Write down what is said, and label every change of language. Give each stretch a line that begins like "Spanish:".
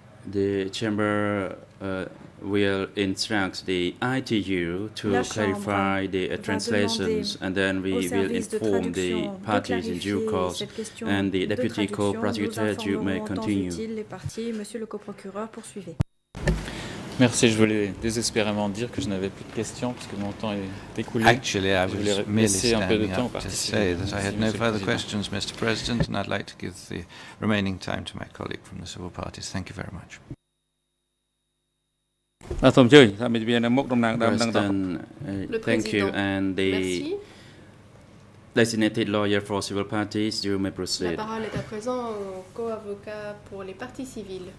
English: the chamber will instruct the ITU to clarify the translations, and then we will inform the parties in due course, and the deputy co-prosecutor, you may continue.
French: Les parties, monsieur le coprocureur, poursuivez. Merci, je voulais désespérément dire que je n'avais plus de questions parce que mon temps est écoulé.
English: Actually, I was merely standing up to say that I had no further questions, Mr. President, and I'd like to give the remaining time to my colleague from the civil parties. Thank you very much. Thank you, and the designated lawyer for civil parties, you may proceed.
French: La parole est à présent au co-avocat pour les parties civiles.